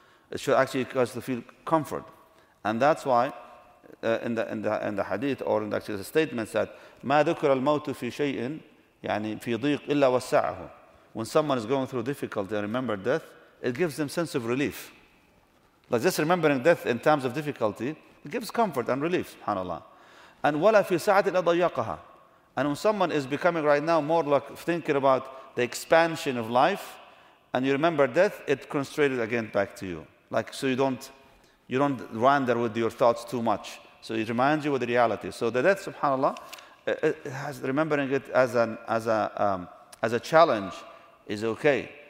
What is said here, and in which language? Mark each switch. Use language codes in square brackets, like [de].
[en] It should actually cause you to feel comfort. And that's why in the hadith or in the statement said, [ar] ما ذكر الموت في شيء يعني في ضيق إلا وسعه. [en] When someone is going through difficulty and remember death, it gives them sense of relief. Like just remembering death in times of difficulty, it gives comfort and relief, subhanAllah. And [ar] ولا في ساعة إلا ضيقها. [en] And when someone is becoming right now more like thinking about the expansion of life and you remember death, it constrains again back to you. Like, so you don't wander with your thoughts too much. So it reminds you of the reality. So the death, subhanAllah, remembering it as a challenge is okay.